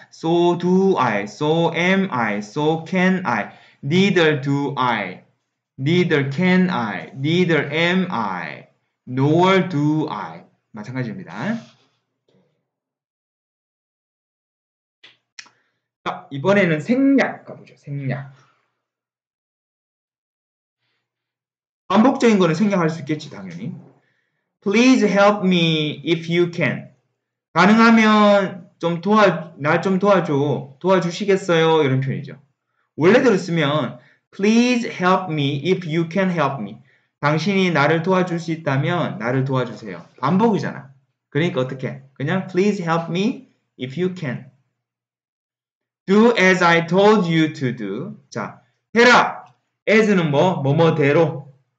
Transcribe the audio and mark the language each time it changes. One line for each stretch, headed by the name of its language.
English: So do I, so am I, so can I, neither do I, neither can I, neither am I, nor do I.
Korean: 마찬가지입니다. 자, 이번에는 생략 가보죠. 생략. 반복적인 거는 생략할 수 있겠지, 당연히.
English: Please help me if you can.
Korean: 가능하면 좀 도와, 날 좀 도와줘. 도와주시겠어요? 이런 표현이죠. 원래대로 쓰면
English: Please help me if you can help me.
Korean: 당신이 나를 도와줄 수 있다면 나를 도와주세요. 반복이잖아. 그러니까 어떻게? 그냥
English: Please help me if you can. Do as I told you to do.
Korean: 자, 해라. As는 뭐? 뭐뭐대로.